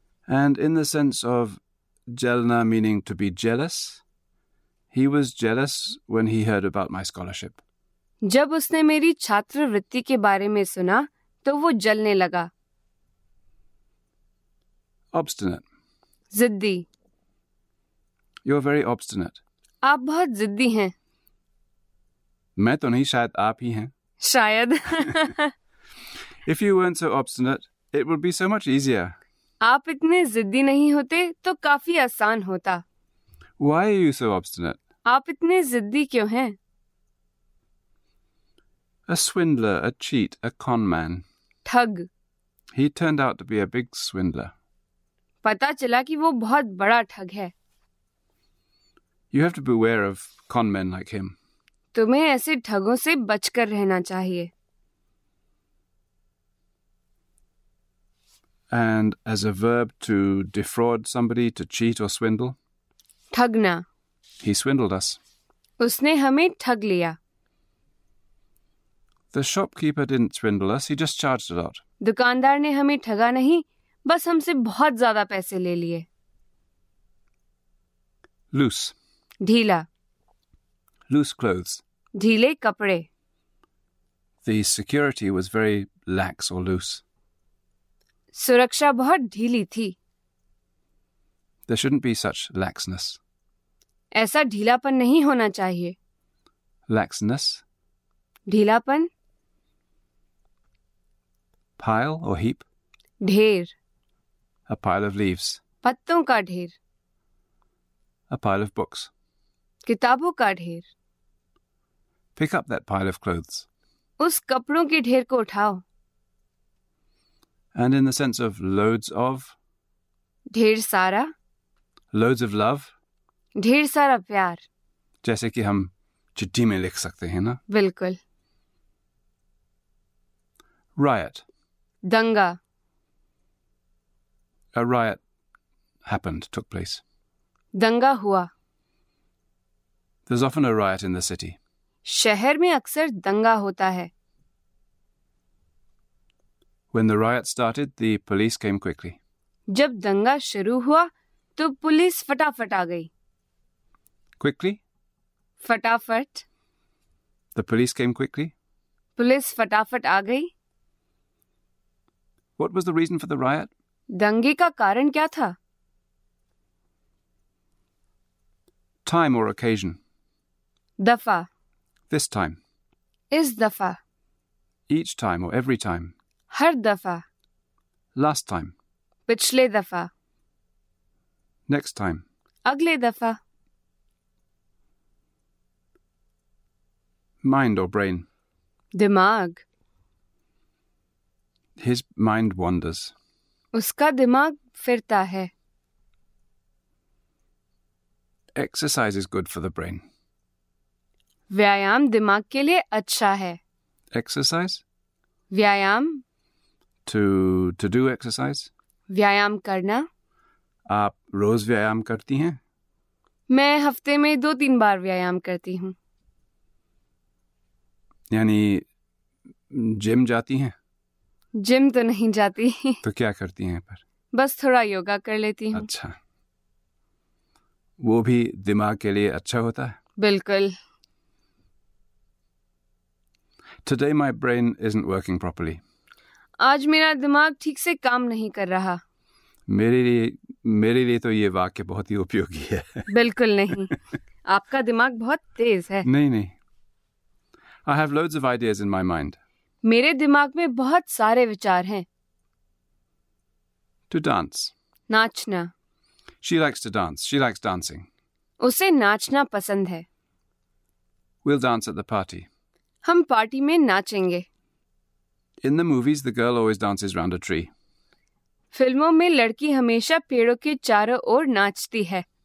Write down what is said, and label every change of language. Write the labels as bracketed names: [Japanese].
[English] And in the sense of jalna meaning to be jealous, he was jealous when he heard about my scholarship. [Hindi] जब उसने मेरी छात्रवृत्ति के बारे में सुना तो वो जलने लगा। [English] Obstinate. [Hindi] जिद्दी। [English] You're very obstinate. [Hindi] आप बहुत जिद्दी हैं। मैं तो नहीं, शायद आप ही हैं। शायद। [English] If you weren't so obstinate, it would be so much easier. [Hindi] आप इतने जिद्दी नहीं होते तो काफी आसान होता। [English] Why are you so obstinate? [Hindi] आप इतने जिद्दी क्यों हैं? [English] A swindler, a cheat, a con man. [Hindi] ठग। [English] He turned out to be a big swindler. [Hindi] पता चला कि वो बहुत बड़ा ठग है। [English] You have to beware of con men like him. [Hindi] तुम्हें ऐसे ठगों से बचकर रहना चाहिए। [English] And as a verb to defraud somebody, to cheat or swindle? [Hindi] ठगना। [English] He swindled us. [Hindi] उसने हमें ठग लिया। [English] The shopkeeper didn't swindle us, he just charged a lot. [Hindi] दुकानदार ने हमें ठगा नहीं, बस हमसे बहुत ज्यादा पैसे ले लिए। [English] Loose. [Hindi] ढीला। [English] Loose clothes. [Hindi] ढीले कपड़े। [English] The security was very lax or loose. [Hindi] सुरक्षा बहुत ढीली थी। [English] There shouldn't be such laxness. [Hindi] ऐसा ढीलापन नहीं होना चाहिए। [English] Laxness. [Hindi] ढीलापन। [English] Pile or heap? [Hindi] ढेर। [English] A pile of leaves. [Hindi] पत्तों का ढेर। [English] A pile of books. [Hindi] किताबों का ढेर। [English] Pick up that pile of clothes. [Hindi] उस कपड़ों के ढेर को उठाओ। [English] And in the sense of loads of? [Hindi] ढेर सारा। [English] Loads of love? [Hindi] ढेर सारा प्यार। जैसे कि हम चिट्ठी में लिख सकते हैं ना? बिल्कुल। [English] Riot. [Hindi] दंगा। [English] A riot happened, took place. [Hindi] दंगा हुआ। [English] There's often a riot in the city. [Hindi] शहर में अक्सर दंगा होता है। [English] When the riot started, the police came quickly. [Hindi] जब दंगा शुरू हुआ तो पुलिस फटाफट आ गई। [English] Quickly? [Hindi] फटाफट। [English] The police came quickly? [Hindi] Police फटाफट आ गई। [English] What was the reason for the riot? [Hindi] दंगे का कारण क्या था? [English] Time or occasion? [Hindi] दफा. [English] This time. [Hindi] इस दफा. [English] Each time or every time? [Hindi] हर दफा. [English] Last time. [Hindi] पिछले दफा. [English] Next time. [Hindi] अगले दफा. [English] Mind or brain? [Hindi] दिमाग. [English] His mind wanders. [Hindi] उसका दिमाग फिरता है. [English] Exercise is good for the brain. [Hindi] व्यायाम दिमाग के लिए अच्छा है. [English] Exercise? [Hindi] व्यायाम. [English] To do exercise? [Hindi] व्यायाम करना. आप रोज व्यायाम करती हैं? मैं हफ्ते में 2-3 बार व्यायाम करती हूँ. यानी जिम जाती हैं? जिम तो नहीं जाती. तो क्या करती हैं पर? बस थोड़ा योगा कर लेती हूँ. अच्छा, वो भी दिमाग के लिए अच्छा होता है? बिल्कुल. [English] Today my brain isn't working properly. [Hindi] आज मेरा दिमाग ठीक से काम नहीं कर रहा. मेरे लिए तो ये वाक्य बहुत ही उपयोगी है. बिल्कुल नहीं. आपका दिमाग बहुत तेज है. नहीं, [English] I have loads of ideas in my mind. [Hindi] मेरे दिमाग में बहुत सारे विचार हैं. [English] To dance. [Hindi] नाचना. [English] She likes to dance. She likes dancing. [Hindi] उसे नाचना पसंद है. [English] We'll dance at the party. [Hindi] हम पार्टी में नाचेंगे. [English] In the movies, the girl always dances round a tree. [Hindi] फिल्मों में लड़की हमेशा पेड़ों के चारों ओर नाचती है.